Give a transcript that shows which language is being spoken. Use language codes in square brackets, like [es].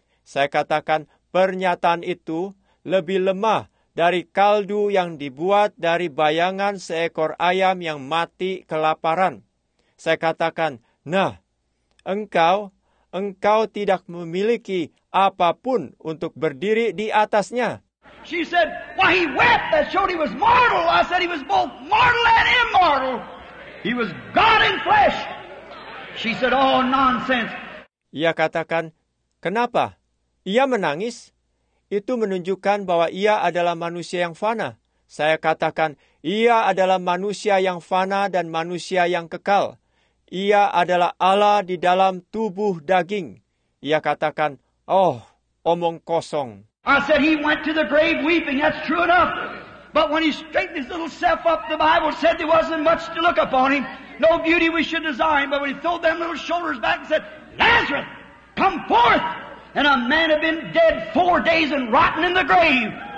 [id] Saya katakan, pernyataan itu lebih lemah dari kaldu yang dibuat dari bayangan seekor ayam yang mati kelaparan. Saya katakan, nah, engkau tidak memiliki apapun untuk berdiri di atasnya. [en] She said, why he wept, that showed he was mortal. I said he was both mortal and immortal. He was God in flesh. She said, oh, nonsense. [id] Ia katakan, kenapa? Ia menangis. Itu menunjukkan bahwa ia adalah manusia yang fana. Saya katakan, ia adalah manusia yang fana dan manusia yang kekal. Ia adalah Allah di dalam tubuh daging. Ia katakan, oh, omong kosong. [en] I said he went to the grave weeping. That's true enough. But when he straightened his little self up, the Bible said there wasn't much to look upon him. No beauty we should desire him. But when he threw them little shoulders back and said, Lazarus, come forth. And a man had been dead 4 days and rotten in the grave.